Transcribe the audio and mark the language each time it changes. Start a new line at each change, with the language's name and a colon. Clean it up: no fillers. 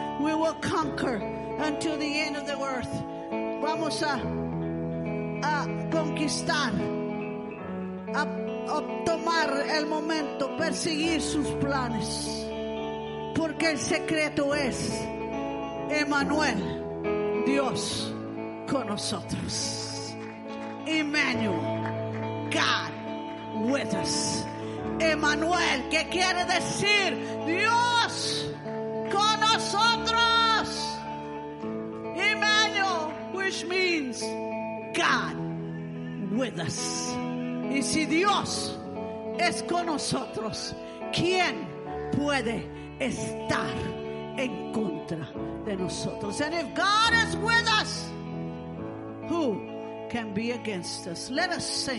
English: We will conquer until the end of the earth.
Spanish: Vamos a conquistar, a tomar el momento, perseguir sus planes. Porque el secreto es Emmanuel, Dios con nosotros.
English: Emmanuel, God with us.
Spanish: Emmanuel, que quiere decir Dios con nosotros.
English: Emmanuel, which means God with us.
Spanish: Y si Dios es con nosotros, ¿quién puede estar en contra de nosotros?
English: And if God is with us, who can be against us? Let us sing.